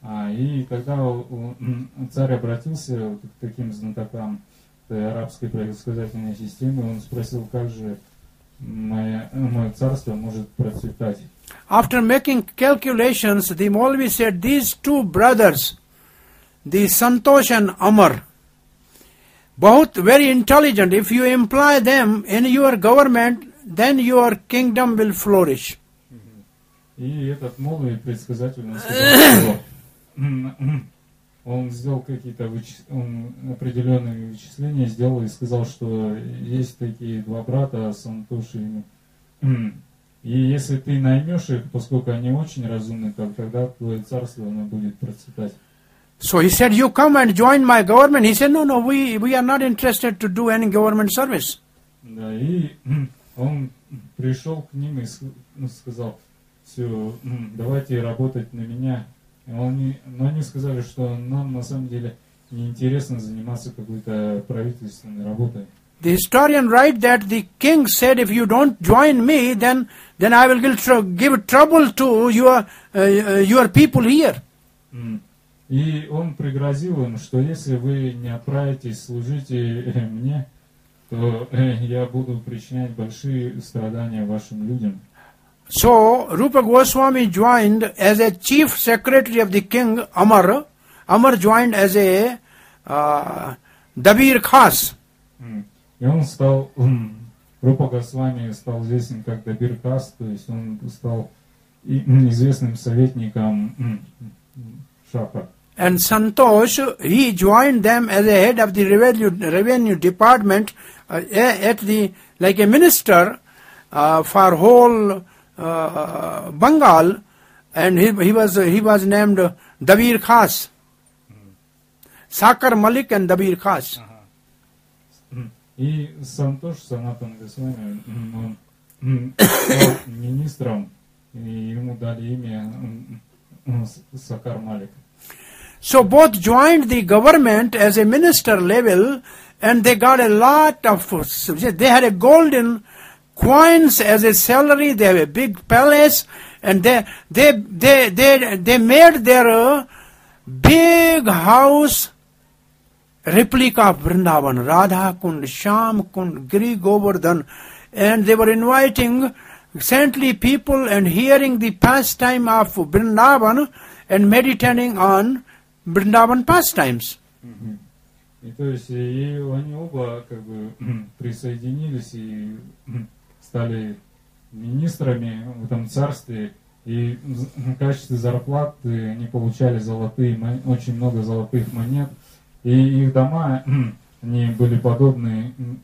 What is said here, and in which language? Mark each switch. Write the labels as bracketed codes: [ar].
[ru] И тогда царь обратился вот к таким знатокам арабской предсказательной системы, он спросил, как же мое царство может процветать. [en] After making calculations, the Maulvi said, these two brothers, the Santosh and Amar, both very intelligent. If you employ them in your government, then your kingdom will flourish. [ru] И этот Молви предсказатель, он сказал, он сделал какие-то определенные вычисления, сделал и сказал, что есть такие два брата, Сантош и И если ты наймешь их, поскольку они очень разумны, то тогда твое царство оно будет процветать. [en] So he said, you come and join my government. He said, no, we are not interested to do any government service. [ru] Да, и он пришел к ним и сказал, все, давайте работать на меня. Но они сказали, что нам на самом деле неинтересно заниматься какой-то правительственной работой. [en] The historian writes that the king said, if you don't join me, then I will give trouble to your people here. [ru] И он пригрозил им, что если вы не отправитесь служить мне, то я буду причинять большие страдания вашим людям. [en] So, Rupa Goswami joined as a chief secretary of the king, Amar. Amar joined as a Dabir Khas. [ru] И он стал, Рупа Госвами стал известен как Дабир Кас, то есть он стал известным советником Шаха. [en] And Santosh, he joined them as a head of the revenue department, like a minister for whole Bengal, and he was named Dabir Khas, Sakar Malik and Dabir Khas. [ru] И Сантош, Санатан Госвами, он министром, и ему дали имя Сакар Малик. [en] So both joined the government as a minister level, And they got a lot of food. They had a golden coins as a salary. They have a big palace. And they made their big house replica of Vrindavan, Radha Kund, Sham Kund, Giri Govardhan. And they were inviting saintly people and hearing the pastime of Vrindavan and meditating on Vrindavan pastimes. [ru] И то есть и они оба как бы присоединились и стали министрами в этом царстве и в качестве зарплаты они получали золотые очень много золотых монет и их дома они были подобны